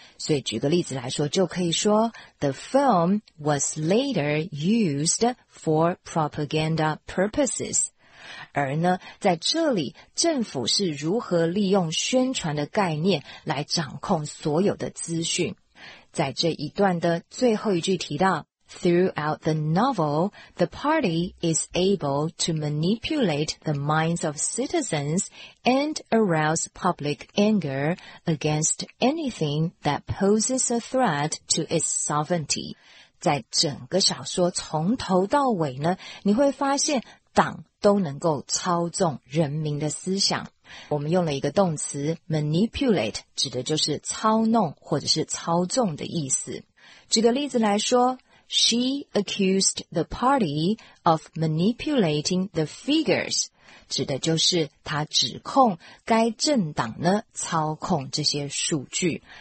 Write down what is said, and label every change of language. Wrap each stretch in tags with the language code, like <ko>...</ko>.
<zh>所以举个例子来说就可以说,</zh> <en>the film was later used for propaganda purposes.</en> <zh>而呢, 在这里, 政府是如何利用宣传的概念来掌控所有的资讯。 在这一段的最后一句提到,</zh> <en>Throughout the novel, the party is able to manipulate the minds of citizens and arouse public anger against anything that poses a threat to its sovereignty.</en> <zh>在整个小说从头到尾呢，你会发现党都能够操纵人民的思想。我们用了一个动词 manipulate， 指的就是操弄或者是操纵的意思。举个例子来说，</zh> <en>She accused the party of manipulating the figures，</en> <zh>指的就是她指控该政党呢操控这些数据。</zh>